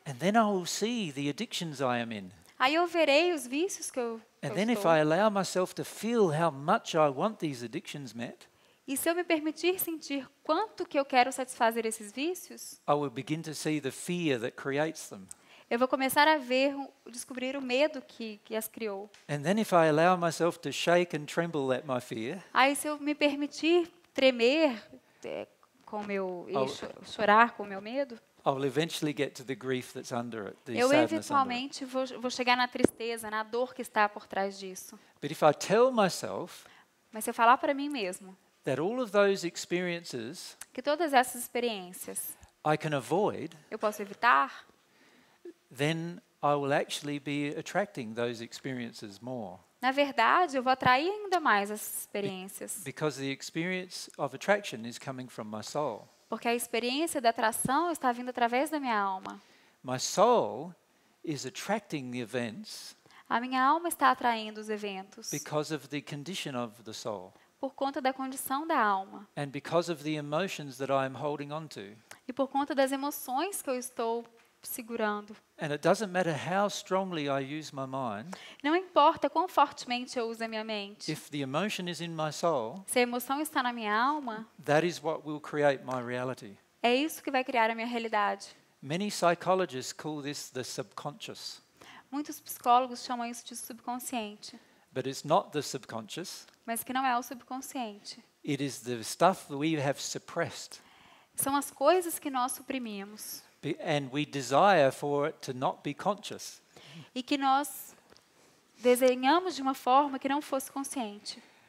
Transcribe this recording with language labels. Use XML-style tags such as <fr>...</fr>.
<en>and then I will see the addictions I am in.</en> <pt>Aí eu verei os vícios que eu</pt> <en>and then if I allow myself to feel how much I want these addictions met,</en> <pt>e se eu me permitir sentir quanto que eu quero satisfazer esses vícios,</pt> <en>I will begin to see the fear that creates them.</en> <pt>Eu vou começar a ver, descobrir o medo que as criou.</pt> <en>And then if I allow myself to shake and tremble at my fear,</en> <pt>aí se eu me permitir tremer com meu chorar com meu medo,</pt> <en>I'll eventually get to the grief that's under it.</en> <pt>Eu eventualmente vou chegar na tristeza, na dor que está por trás disso.</pt> <en>But if I tell myself,</en> <pt>mas se eu falar para mim mesmo,</pt> <en>that all of those experiences,</en> <pt>que todas essas experiências,</pt> <en>I can avoid,</en> <pt>eu posso evitar,</pt> <en>then I will actually be attracting those experiences more.</en> <pt>Na verdade, eu vou atrair ainda mais essas experiências.</pt> <en>Because the experience of attraction is coming from my soul.</en> <pt>Porque a experiência da atração está vindo através da minha alma.</pt> <en>My soul is attracting the events.</en> <pt>A minha alma está atraindo os eventos.</pt> <en>Because of the condition of the soul.</en> <pt>Por conta da condição da alma.</pt> <en>And because of the emotions that I am holding on to.</en> <pt>E por conta das emoções que eu estou segurando.</pt> <en>And it doesn't matter how strongly I use my mind.</en> <pt>Não importa quão fortemente eu uso a minha mente.</pt> <en>If the emotion is in my soul.</en> <pt>Se a emoção está na minha alma.</pt> <en>That is what will create my reality.</en> <pt>É isso que vai criar a minha realidade.</pt> <en>Many psychologists call this the subconscious.</en> <pt>Muitos psicólogos chamam isso de subconsciente.</pt> <en>But it's not the subconscious.</en> <pt>Mas que não é o subconsciente.</pt> <en>It is the stuff we have suppressed.</en> <pt>São as coisas que nós suprimimos.</pt> <en>And we desire for it to not be conscious.</en> <pt>E que nós desenhamos de uma forma que não fosse consciente.</pt>